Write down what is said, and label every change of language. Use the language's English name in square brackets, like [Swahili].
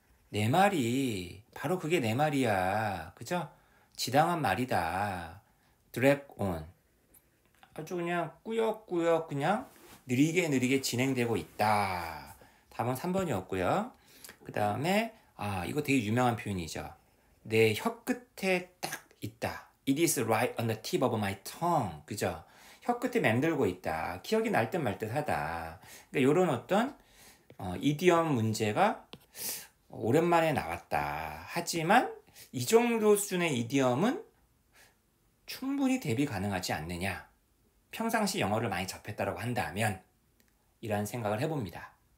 [Korean] 내 말이 바로 그게 내 말이야, 그죠? 지당한 말이다. [English] Drag on. [Korean] 아주 그냥 꾸역꾸역 그냥 느리게 느리게 진행되고 있다. 답은 3번이었고요. 그 다음에 아 이거 되게 유명한 표현이죠. 내 혀끝에 딱 있다. [English] It is right on the tip of my tongue. [Korean] 그죠? 혀끝에 맴돌고 있다. 기억이 날듯말듯 하다. 그러니까 이런 어떤 이디엄 문제가 오랜만에 나왔다. 하지만 이 정도 수준의 이디엄은 충분히 대비 가능하지 않느냐. 평상시 영어를 많이 접했다라고 한다면, 이런 생각을 해봅니다.